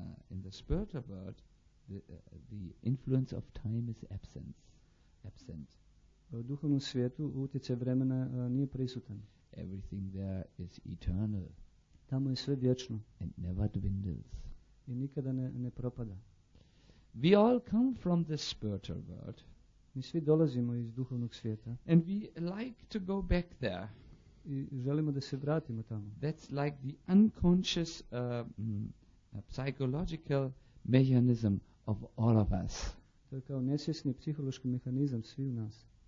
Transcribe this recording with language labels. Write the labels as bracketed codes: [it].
[en] In the spiritual world, the influence of time is absent. [hr] U duhovnom svijetu utjecaj vremena nije prisutan. [en] Everything there is eternal. [hr] Tamo je sve vječno. [en] And never dwindles. [hr] I nikada ne propada. [en] We all come from the spiritual world. [hr] Mi svi dolazimo iz duhovnog svijeta. [en] And we like to go back there. [hr] I želimo da se vratimo tamo. [en] That's like the unconscious psychological mechanism of all of us. [hr] To je kao nesvjesni psihološki mehanizam sviju nas.